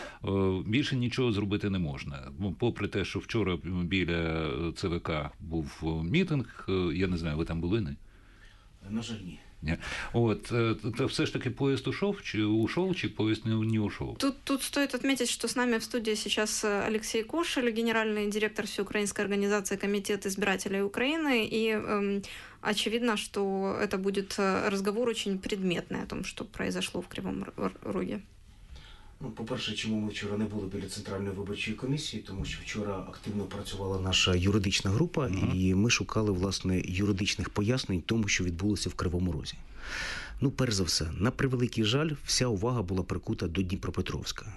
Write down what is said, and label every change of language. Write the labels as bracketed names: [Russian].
[Russian] Больше ничего сделать не можно. [Ukrainian] Попри те, [Russian] что вчера [Ukrainian] біля ЦВК був мітинг, я не знаю, вы там були, не? На жаль, ні. [Russian] Вот, то все ж таки поезд ушел, чи поезд не ушел? Тут стоит отметить, что с нами в студии сейчас Алексей Кошель, генеральный директор Всеукраинской организации Комитет избирателей Украины, и очевидно, что это будет разговор очень предметный о том, что произошло в Кривом Роге. [Ukrainian] Ну, по-перше, чому ми вчора не були біля Центральної виборчої комісії, тому що вчора активно працювала наша юридична група, і ми шукали, власне, юридичних пояснень тому, що відбулося в Кривому Розі. Ну, перш за все, на превеликий жаль, вся увага була прикута до Дніпропетровська.